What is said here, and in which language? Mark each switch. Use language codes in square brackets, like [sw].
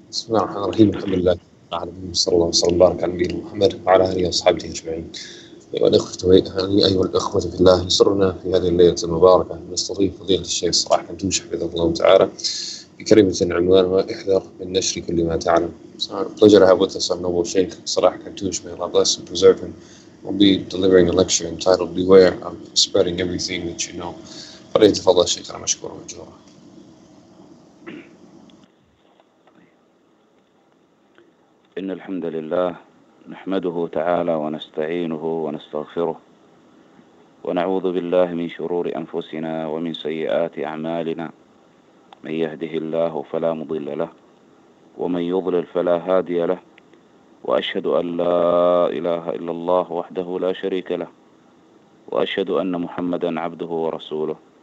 [ar] بسم الله الرحمن الرحيم، الحمد لله رب العالمين، صلى الله وسلم وبارك على نبينا محمد وعلى اله واصحابه اجمعين. ايها الاخوه في الله، يسرنا في هذه الليله المباركه ان نستضيف فضيله الشيخ صلاح كنتوش حفظه الله تعالى بكلمه عنوانها احذر من نشر كل ما تعلم. [en] Pleasure to have with us our noble Sheikh Salah Kantoush. May Allah bless and preserve him. We'll be delivering a lecture entitled Beware of Spreading Everything That You Know. [ar] فليت فضل الشيخ رحمه الله مشكور. إن الحمد لله نحمده تعالى ونستعينه ونستغفره ونعوذ بالله من شرور أنفسنا ومن سيئات أعمالنا، من يهده الله فلا مضل له ومن يضلل فلا هادي له، وأشهد أن لا إله إلا الله وحده لا شريك له، وأشهد أن محمدا عبده ورسوله.